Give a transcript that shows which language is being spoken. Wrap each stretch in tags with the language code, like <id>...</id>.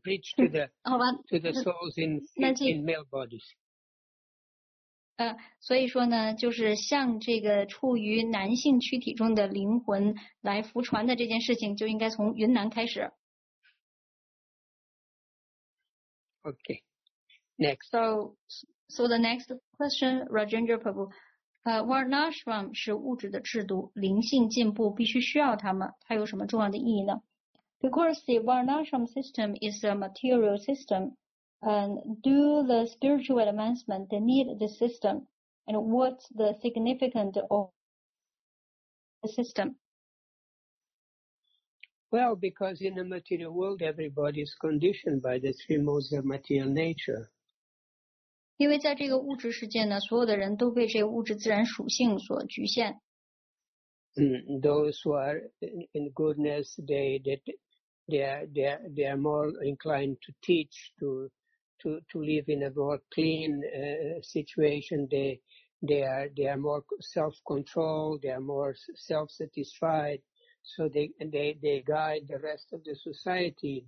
<en>Preach to the to the souls in male bodies.</en> <zh>所以说呢，就是向这个处于男性躯体中的灵魂来服传的这件事情，就应该从云南开始。</zh> <en>Okay. Next. So the next question, Rajendra Prabhu.</en> <zh>Varnashram 是物质的制度，灵性进步必须需要它们，它有什么重要的意义呢？</zh> <en>Because the Varnashram system is a material system, and do the spiritual advancement need the system? And what's the significance of the system? Well, because in the material world, everybody is conditioned by the three modes of material nature.</en> <zh>因为在这个物质世界呢，所有的人都被这个物质自然属性所局限。</zh> <en>Those who are in goodness, they are more inclined to teach, to live in a more clean situation. They are more self-controlled. They are more self-satisfied. So they guide the rest of the society.</en>